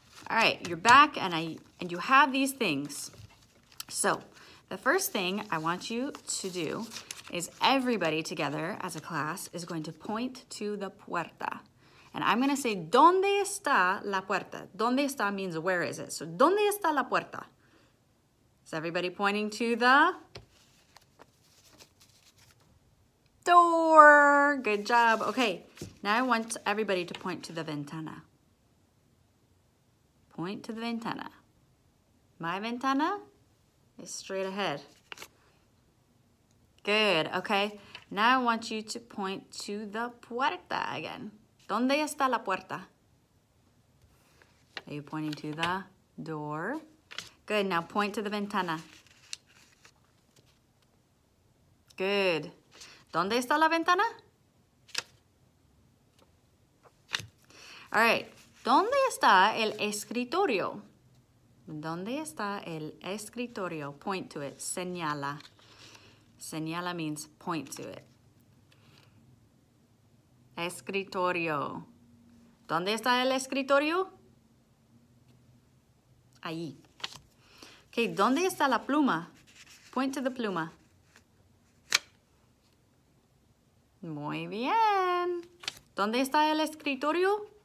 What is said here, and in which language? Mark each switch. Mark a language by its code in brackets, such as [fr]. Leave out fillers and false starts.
[en] All right, you're back and you have these things. So the first thing I want you to do is everybody together as a class is going to point to the puerta. And I'm going to say, [es] ¿dónde está la puerta? ¿Dónde está [en] means where is it? So, [es] ¿dónde está la puerta? [en] Is everybody pointing to the door? Good job. Okay, now I want everybody to point to the ventana. Point to the ventana. My ventana is straight ahead. Good, okay. Now I want you to point to the puerta again. [es] ¿Dónde está la puerta? [en] Are you pointing to the door? Good, now point to the ventana. Good. [es] ¿Dónde está la ventana? [en] All right. [es] ¿Dónde está el escritorio? ¿Dónde está el escritorio? [en] Point to it. [es] Señala. Señala [en] means point to it. [es] Escritorio. ¿Dónde está el escritorio? Ahí. [en] Okay, [es] ¿dónde está la pluma? [en] Point to the pluma. [es] Muy bien. ¿Dónde está el escritorio?